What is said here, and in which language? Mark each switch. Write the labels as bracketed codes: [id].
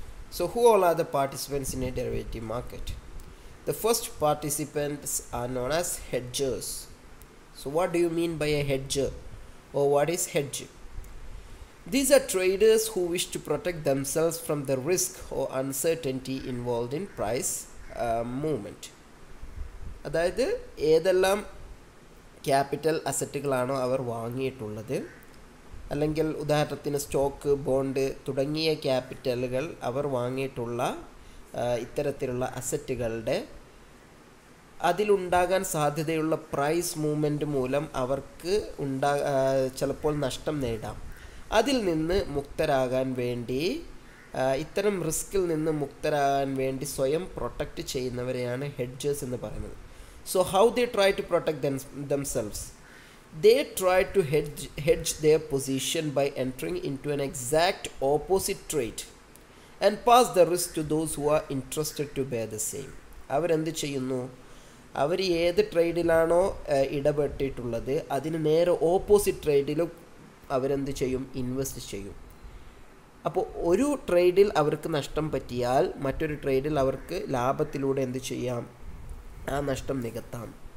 [en] So who all are the participants in a derivative market? The first participants are known as hedgers. So what do you mean by a hedger, or what is hedge? These are traders who wish to protect themselves from the risk or uncertainty involved in price movement. [ml] അതായത് ഏതെല്ലാം capital അസറ്റുകളാണോ അവർ വാങ്ങിയിട്ടുള്ളത്, അല്ലെങ്കിൽ ഉദാഹരണത്തിന് stock, bond തുടങ്ങിയ ക്യാപിറ്റലുകൾ അവർ വാങ്ങിയിട്ടുള്ള ഇത്തരത്തിലുള്ള അസറ്റുകളുടെ അതിലുണ്ടാകാൻ സാധ്യതയുള്ള price movement മൂലം അവർക്ക് ചിലപ്പോൾ നഷ്ടം നേടാം. അതിൽ നിന്ന് മുക്തരാകാൻ വേണ്ടി, ഇത്തരം റിസ്കിൽ നിന്ന് മുക്തരാകാൻ വേണ്ടി സ്വയം പ്രൊട്ടക്റ്റ് ചെയ്യുന്നവരെയാണ് ഹെഡ്ജേഴ്സ് എന്ന് പറയുന്നത്. [en] So how they try to protect themselves? They try to hedge their position by entering into an exact opposite trade and pass the risk to those who are interested to bear the same. [ml] അവരെന്ത് ചെയ്യുന്നു? അവർ ഏത് ട്രേഡിലാണോ ഇടപെട്ടിട്ടുള്ളത് അതിന് നേരെ opposite ട്രേഡിലും അവരെന്ത് ചെയ്യും? Invest ചെയ്യും. അപ്പോൾ ഒരു ട്രേഡിൽ അവർക്ക് നഷ്ടം പറ്റിയാൽ മറ്റൊരു ട്രേഡിൽ അവർക്ക് ലാഭത്തിലൂടെ എന്ത് ചെയ്യാം? ആ നഷ്ടം നികത്താം.